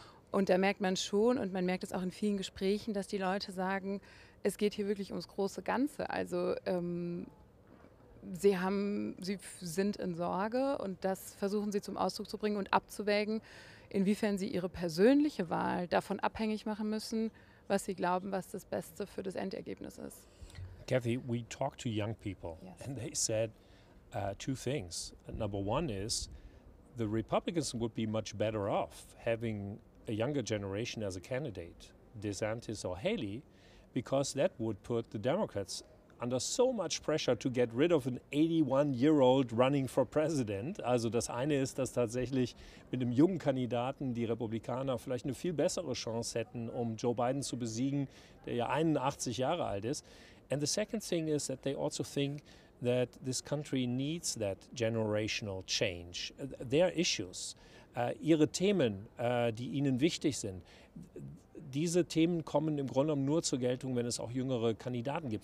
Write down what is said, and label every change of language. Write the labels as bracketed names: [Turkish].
[German] Und da merkt man schon, und man merkt es auch in vielen Gesprächen, dass die Leute sagen, es geht hier wirklich ums große Ganze. Also sie sind in Sorge und das versuchen sie zum Ausdruck zu bringen und abzuwägen, inwiefern sie ihre persönliche Wahl davon abhängig machen müssen, was sie glauben, was das Beste für das Endergebnis ist. [English] Kathie, we talked to young people, yes, and they said two things. Number one is, the Republicans would be much better off having a younger generation as a candidate, DeSantis or Haley, because that would put the Democrats under so much pressure to get rid of an 81-year-old running for president. [German] Also das eine ist, dass tatsächlich mit einem jungen Kandidaten die Republikaner vielleicht eine viel bessere Chance hätten, um Joe Biden zu besiegen, der ja 81 Jahre alt ist. [English] And the second thing is that they also think that this country needs that generational change. Their issues, [German] ihre Themen, die ihnen wichtig sind, diese Themen kommen im Grunde genommen nur zur Geltung, wenn es auch jüngere Kandidaten gibt.